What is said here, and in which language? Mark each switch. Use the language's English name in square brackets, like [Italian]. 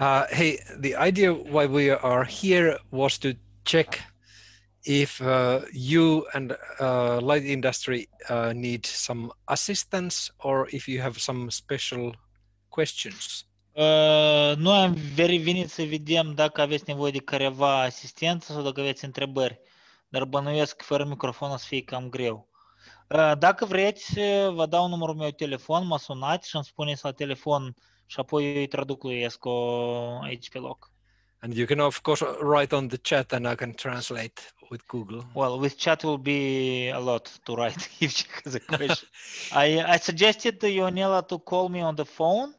[English] Hey, the idea why we are here was to check if you and light industry need some assistance or if you have some special questions. [Romanian] Noi am veri venit să vedem dacă aveți nevoie de careva asistență sau dacă aveți întrebări, dar bănuiesc că fără microfon o să fie cam greu. Dacă vreți, vă dau numărul meu de telefon, mă sunați și îmi spuneți la telefon și apoi îi traducuiesc aici pe loc. [English] And you can of course write on the chat and I can translate with Google. Well, with chat will be a lot to write if she has a question. I suggested to Ionela to call me on the phone.